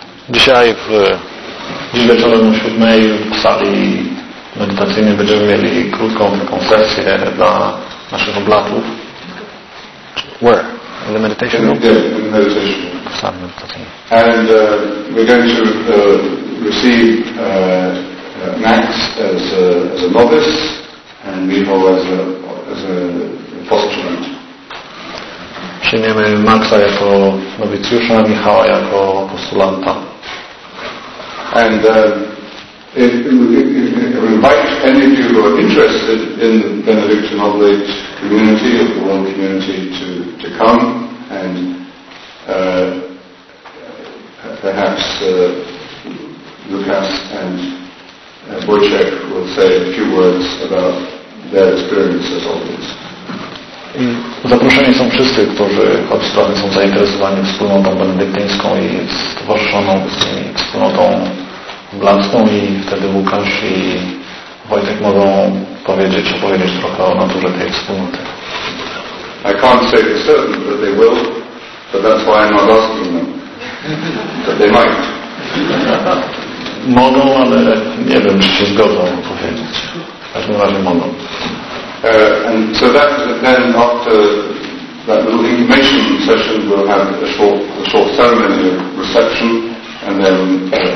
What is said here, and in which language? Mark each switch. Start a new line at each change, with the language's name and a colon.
Polish: Dzisiaj w dziś wieczorem o 7 w sali medytacyjnej będziemy mieli krótką taką sesję dla naszych oblatów.
English: Where? In the meditation room? Yeah, in the meditation room.
Polish: W sali medytacyjnej.
English: And we're going to receive Max as a novice and Mivo as a postulant.
Polish: Przyjmiemy Maxa jako nowicjusza, Michała jako postulanta.
English: And if we invite any of you who are interested in the Benedictine Oblate community or the world community to come and perhaps Lukas and Wojciech will say a few words about their experience as Oblates.
Polish: Zaproszeni są wszyscy, którzy choć sprawy są zainteresowani wspólnotą benedyktyńską i stowarzyszoną z nimi wspólnotą blaską i wtedy Łukasz i Wojtek mogą powiedzieć trochę o naturze tej wspólnoty.
English: I can't say for certain that they will, but that's why I'm not asking them. That they might.
Polish: Mogą, ale nie wiem, czy się zgodzą powiedzieć. W każdym razie mogą.
English: And so that then after that little information session we'll have a short ceremony of reception and then